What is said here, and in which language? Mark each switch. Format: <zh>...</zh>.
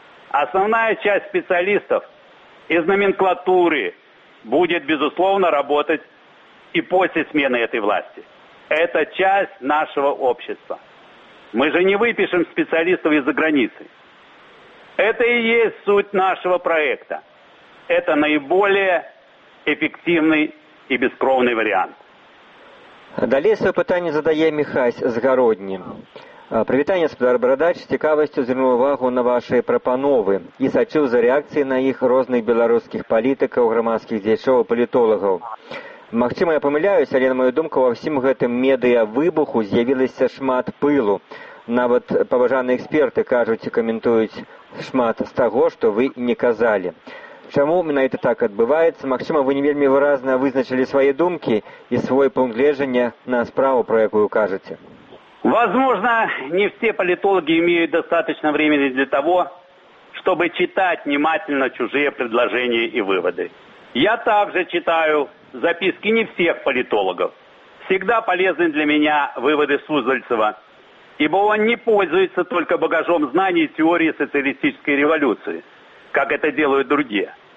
<ru>Основная часть специалистов из номенклатуры будет, безусловно, работать и после смены этой власти. Это часть нашего общества. Мы же не выпишем специалистов из-за границы. Это и есть суть нашего проекта. Это наиболее эффективный</ru> <be>і бескровны варіант. Далей сваё пытанне задае Міхась Згародні. Прывітанне, спадар Барадач, з цікавасцю звярнуў увагу на вашы прапановы і сачыў за рэакцыяй на іх розных беларускіх палітыкаў, грамадскіх дзеячоў, палітолагаў. Магчыма, я памыляюся, але, на маю думку, ва ўсім гэтым медыявыбуху з'явілася шмат пылу. Нават паважаныя эксперты кажуць і каментуюць шмат з таго, што вы не казалі. Чаму менавіта так адбываецца? Магчыма, вы не вельмі выразна вызначылі свае думкі і свой пункт гледжання на справу, пра якую кажаце.</be> <ru>Возможно, не все политологи имеют достаточно времени для того, чтобы читать внимательно чужие предложения и выводы. Я также читаю записки не всех политологов. Всегда полезны для меня выводы Суздальцева, ибо он не пользуется только багажом знаний и теории социалистической революции, как это делают другие.</ru>